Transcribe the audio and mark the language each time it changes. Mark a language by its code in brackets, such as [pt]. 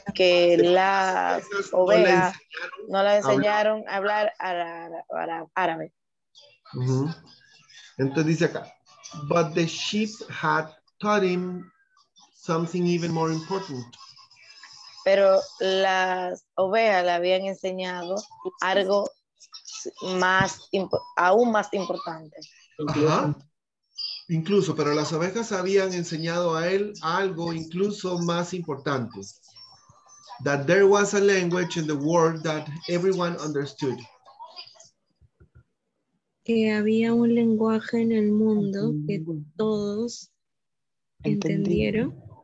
[es] que las ovejas no las enseñaron a hablar árabe. Entonces dice acá, [en] but the sheep had taught him something even more important. [es] Pero las ovejas le habían enseñado algo más, aún más importante. Incluso, pero las ovejas habían enseñado a él algo incluso más importante. [en] That there was a language in the world that everyone understood. [es] Que había un lenguaje en el mundo que todos entendieron.